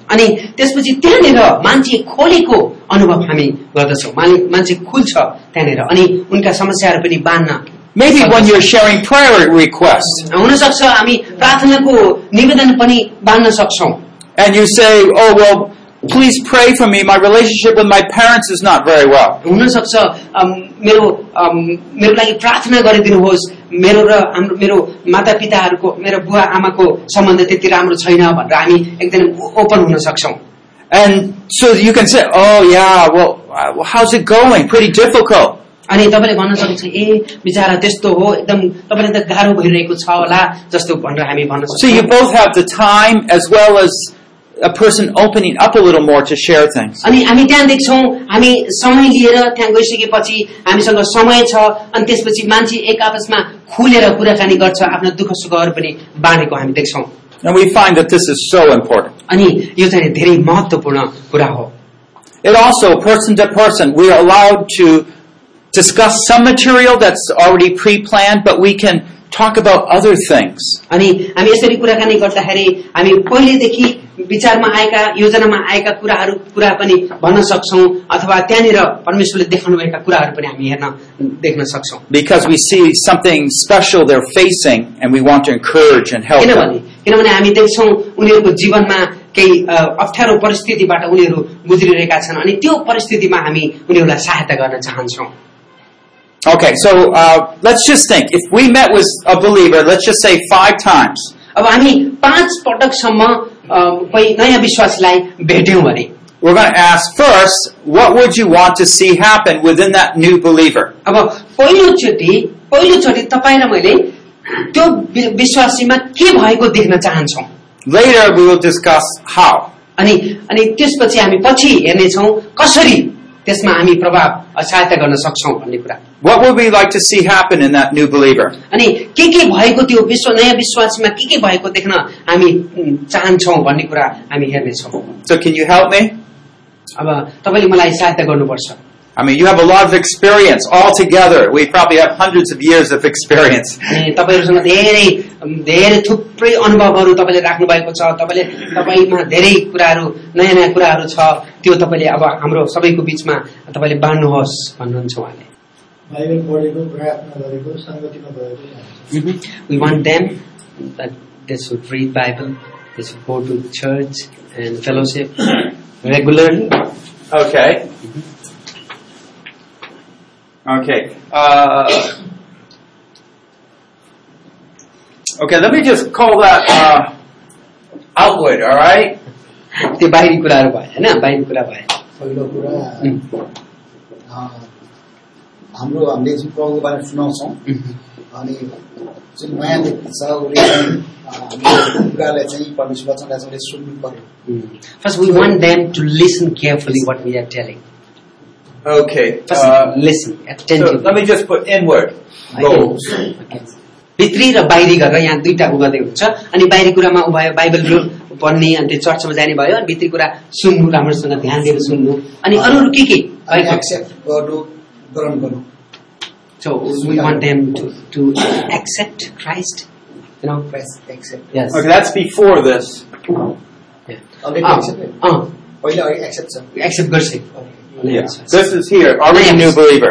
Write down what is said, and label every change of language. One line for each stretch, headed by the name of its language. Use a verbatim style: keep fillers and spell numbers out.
Nepali: अनि त्यसपछि त्यहाँनिर मान्छे खोलेको अनुभव हामी गर्दछौँ, मान्छे खुल्छ त्यहाँनिर अनि उनका समस्याहरू पनि बाँड्न।
English: Maybe when you're sharing prayer requests,
Nepali: हुन सक्छ हामी प्रार्थनाको निवेदन पनि बाँड्न सक्छौँ।
English: And you say, oh well, please pray for me. My relationship with my parents is not very well.
Nepali: हुन सक्छ मेरो मेरो लागि प्रार्थना गरिदिनुहोस्, मेरो र हाम्रो मेरो मातापिताहरुको, मेरो बुवा आमाको सम्बन्ध त्यति राम्रो छैन भनेर हामी एकदम ओपन हुन सक्छौं।
English: And so you can say, oh yeah, well uh, well, how's it going? Pretty difficult.
Nepali: अनि तपाईले भन्न सक्नुहुन्छ ए बिचारा त्यस्तो हो एकदम तपाईले त गाह्रो भइरहेको छ होला जस्तो भनेर हामी भन्न सक्छौं.
English: So you both have the time as well as a person opening up a little more to share things.
Nepali: अनि हामी त्यहाँ देख्छौं हामी समय लिएर त्यहाँ गइसकेपछि हामीसँग समय छ अनि त्यसपछि मान्छे एक आपसमा खुलेर कुराकानी गर्छ आफ्नो दुःख सुखहरु पनि बाँडेको हामी देख्छौं.
English: And we find that this is so important.
Nepali: अनि यो चाहिँ धेरै महत्त्वपूर्ण कुरा हो.
English: It also person to person we are allowed to discuss some material that's already pre-planned, but we can talk about other things.
Nepali: अनि हामी यसरी कुराकानी गर्दाखेरि हामी पहिलेदेखि विचारमा आएका योजनामा आएका कुराहरू कुरा पनि भन्न सक्छौं अथवा त्यहाँनिर परमेश्वरले देखाउनुभएका कुराहरू पनि हामी हेर्न देख्न सक्छौं.
English: Because we see something special they're facing and we want to encourage and help
Nepali: किनभने
English: them.
Nepali: किनभने हामी देख्छौं उनीहरूको जीवनमा केही अप्ठ्यारो परिस्थितिबाट उनीहरू गुज्रिरहेका छन् अनि त्यो परिस्थितिमा हामी उनीहरूलाई सहायता गर्न चाहन्छौं.
English: Okay, so uh, let's just think. If we met with a believer, let's just say five times.
Nepali: अब हामी पाँच पटकसम्म कोही नयाँ विश्वासीलाई भेट्यौं भने
English: we're going to ask first, what would you want to see happen within that new believer?
Nepali: अब पहिलोचोटि पहिलोचोटि तपाईलाई मैले त्यो विश्वासीमा के भएको देख्न चाहन्छौं.
English: Later we will discuss how.
Nepali: अनि अनि त्यसपछि हामी पछि हेर्नेछौं कसरी त्यसमा हामी प्रभाव सहायता गर्न सक्छौं भन्ने कुरा.
English: What would we like to see happen in that new believer?
Nepali: अनि के के भएको त्यो विश्व नयाँ विश्वासमा के के भएको देख्न हामी चाहन्छौं भन्ने कुरा हामी हेर्ने छौं.
English: So can you help me?
Nepali: अब तपाईले मलाई सहायता गर्नुपर्छ.
English: I mean, you have a lot of experience all together. We probably have hundreds of years of experience.
Nepali: तपाईहरुसँग धेरै धेरै थुप्रै अनुभवहरु तपाईले राख्नु भएको छ. तपाईले तपाईमा धेरै कुराहरु नयाँ नयाँ कुराहरु छ. त्यो तपाईले अब हाम्रो सबैको बीचमा तपाईले बाँड्नुहोस् भन्नुहुन्छ उहाँले. बाइबल पढेको प्रार्थना गरेको संगतिमा भएको हुन्छ.
English: We want them that they should read Bible, they should go to church and fellowship regularly. Okay. Okay. Uh, okay, let me just call that uh, outward, all right?
Nepali: त्यो बाहिरी कुराहरु भयो हैन बाहिरी कुरा भयो. पहिलो कुरा हाम्रो हामीले जुन प्रभुको बारेमा सुनाउँछौँ अनि जुन नयाँ व्यक्ति छ उसले हाम्रो कुरालाई चाहिँ परमेश्वर वचनलाई चाहिँ सुन्नु पर्यो.
English: First we want them to listen carefully what we are telling. Okay. First, uh, listen attentively. So let me just put inward goals.
Nepali: भित्री र बाहिरी गरेर यहाँ दुईटा उ गर्दै हुन्छ अनि बाहिरी कुरामा उ भयो बाइबल पढ्ने अनि त्यो चर्चमा जाने भयो अनि भित्री कुरा सुन्नु राम्रोसँग ध्यान दिएर सुन्नु अनि अरू अरू के के एक्सेप्ट गर्नु ग्रहण गर्नु.
English: So we want them to to accept Christ, you know, Christ accept. Yes. Okay, that's before this. Yeah. Already accepted. अ
Nepali: पहिले अलि एक्सेप्ट छ. एक्सेप्ट गर्छ.
English: Yeah. This is here, already a new believer.